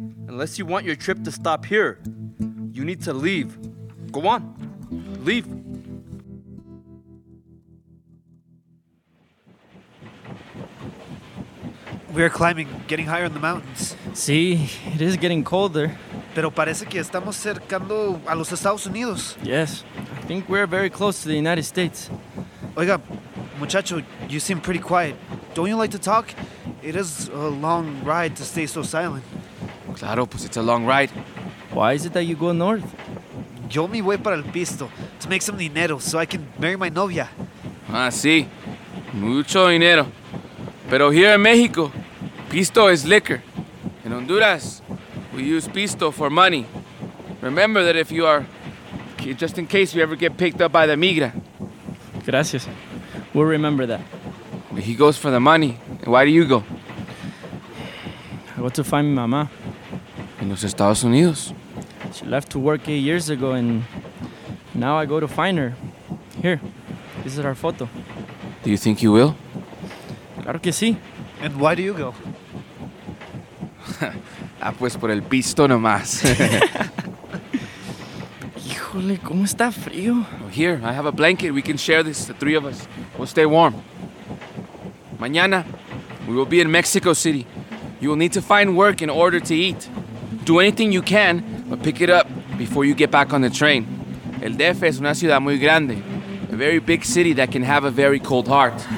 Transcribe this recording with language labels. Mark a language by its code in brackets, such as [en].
[en] Unless you want your trip to stop here, you need to leave. Go on. Leave. We are climbing, getting higher in the mountains. Sí, it is getting colder. [es] Pero parece que estamos cercando a los Estados Unidos. [en] Yes, I think we're very close to the United States. [es] Oiga, muchacho, [en] you seem pretty quiet. Don't you like to talk? It is a long ride to stay so silent. [es] Claro, pues [en] it's a long ride. Why is it that you go north? [es] Yo me voy para el pisto, [en] to make some dinero so I can marry my novia. [es] Ah, sí, mucho dinero. [en] Pero here in Mexico, pisto is liquor. In Honduras, we use pisto for money. Remember that if you are, just in case you ever get picked up by the migra. Gracias. We'll remember that. But he goes for the money. Why do you go? I go to find my mama. [es] En los Estados Unidos. [en] She left to work 8 years ago, and now I go to find her. Here, this is our photo. Do you think you will? [es] Claro que sí. [en] And why do you go? [es] Ah, pues por el pisto nomás. Híjole, ¿cómo está frío? [en] Well, here, I have a blanket. We can share this, the three of us. We'll stay warm. Mañana, we will be in Mexico City. You will need to find work in order to eat. Do anything you can, but pick it up before you get back on the train. [es] El DF es una ciudad muy grande. [en] A very big city that can have a very cold heart.